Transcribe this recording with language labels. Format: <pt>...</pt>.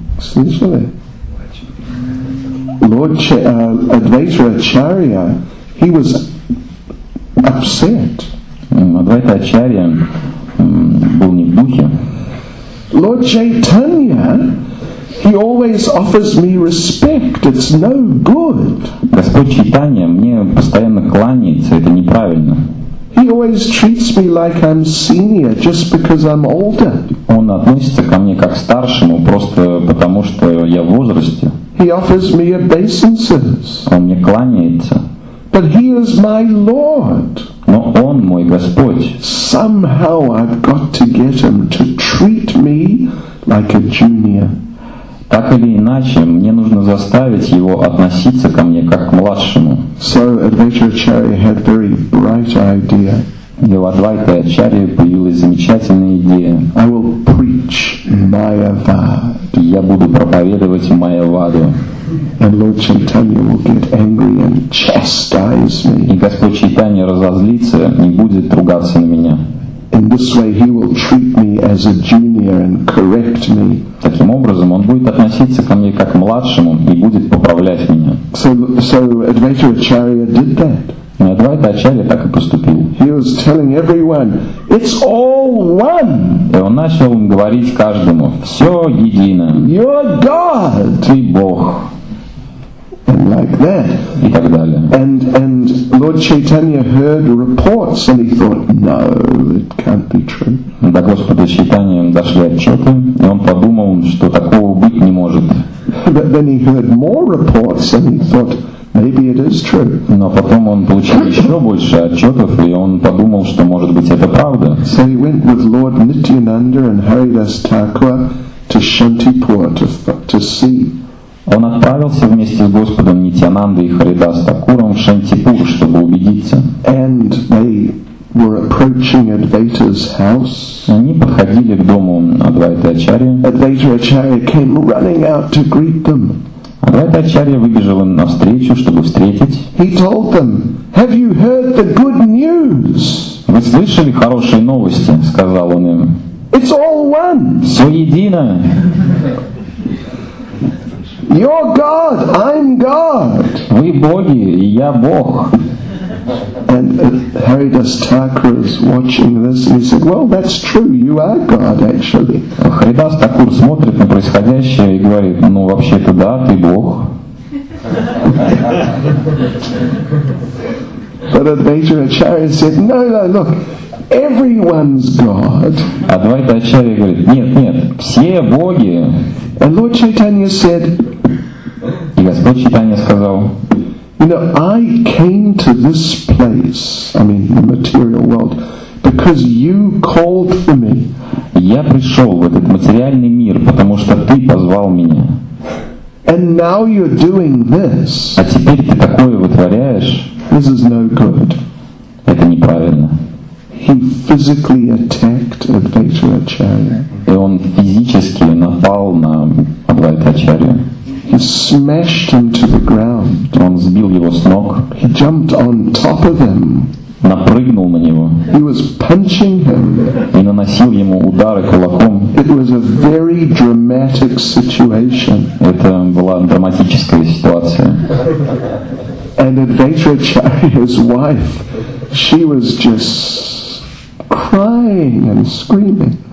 <ru>Слышали?</ru> <en>Lord Advaita Acharya, he was upset.</en> <ru>Адвайта Ачарья был не в духе.</ru> <en>Lord Chaitanya, he always offers me respect. It's no good.</en> <ru>Господь Чайтанья мне постоянно кланяется. Это неправильно.</ru> <en>He always treats me like I'm senior, just because I'm older.</en> <ru>Он относится ко мне как старшему просто потому что я в возрасте.</ru> <en>He offers me obeisances.</en> <ru>Он мне кланяется.</ru> <en>But he is my Lord.</en> <ru>Но он мой Господь.</ru> <en>Somehow I've got to get him to treat me like a junior.</en> <ru>Так или иначе, мне нужно заставить его относиться ко мне как к младшему.</ru> <en>So Advaita Acharya had very bright idea.</en> <ru>И у Адвайты Ачарьи появилась замечательная идея.</ru> <en>I will preach Майявада.</en> <ru>Я буду проповедовать Майяваду.</ru> <en>And Lord Chaitanya will get angry and chastise me.</en> <ru>И Господь Чайтанья разозлится и будет ругаться на меня.</ru> <en>In this way, he will treat me as a junior and correct me.</en> <ru>Таким образом, он будет относиться ко мне как к младшему и будет поправлять меня.</ru> <en>So Advaita Acharya did that.</en> <ru>Адвайта Ачарья так и поступил.</ru> <en>He was telling everyone, it's all one.</en> <ru>И он начал говорить каждому, все едино.</ru> <en>You're God.</en> <ru>Ты Бог.</ru> <en>And like that.</en> <ru>И так далее.</ru> <en>And Lord Chaitanya heard reports and he thought, no, it can't be true.</en> <ru>До Господа Чайтаньи дошли отчеты, и он подумал, что такого быть не может.</ru> <en>But then he heard more reports and he thought, maybe it is true.</en> <ru>Но потом он получил еще больше отчетов, и он подумал, что может быть это правда.</ru> <en>So he went with Lord Nityananda and Haridas Thakura to Shantipur to see.</en> <ru>Он отправился вместе с Господом Нитянандой и Харидас Такуром в Шантипур, чтобы убедиться.</ru> <en>And they were approaching Advaita's house.</en> <ru>Они подходили к дому Адвайты Ачарьи.</ru> <en>Advaita Acharya came running out to greet them.</en> <ru>Адвайта Ачарья выбежала навстречу, чтобы встретить.</ru> <en>He told them, "Have you heard the good news?"</en> <ru>Вы слышали хорошие новости? Сказал он им.</ru> <en>It's all one.</en> <ru>Все едино.</ru> <en>You're God, I'm God.</en> <ru>Вы боги, и я Бог.</ru> <en>And Haridas Thakura is watching this, and he said, "Well, that's true. You are God, actually."</en> <ru>Харидас Такур смотрит на происходящее и говорит: "Ну вообще-то да, ты Бог."</ru> <en>But Advaita Acharya said, "No, look, everyone's God."</en> <ru>Адвайта Ачарья говорит: "Нет, все боги."</ru> <en>And Lord Chaitanya said.</en> <ru>И Господь Чайтанья сказал.</ru> <en>You know, I came to this place, I mean, the material world, because you called for me.</en> <ru>Я пришел в этот материальный мир, потому что ты позвал меня.</ru> <en>And now you're doing this.</en> <ru>А теперь ты такое вытворяешь.</ru> <en>This is no good.</en> <ru>Это неправильно.</ru> <en>He physically attacked Advaita Acharya.</en> <ru>И он физически напал на Адвайта Ачарью.</ru> <en>He smashed him to the ground.</en> <ru>Он сбил его с ног.</ru> <en>He jumped on top of him.</en> <ru>Напрыгнул на него.</ru> <en>He was punching him.</en> <ru>И наносил ему удары кулаком.</ru> <en>It was a very dramatic situation.</en> <ru>Это была драматическая ситуация.</ru> <en>And Advaita Acharya's wife, she was just crying and screaming.</en>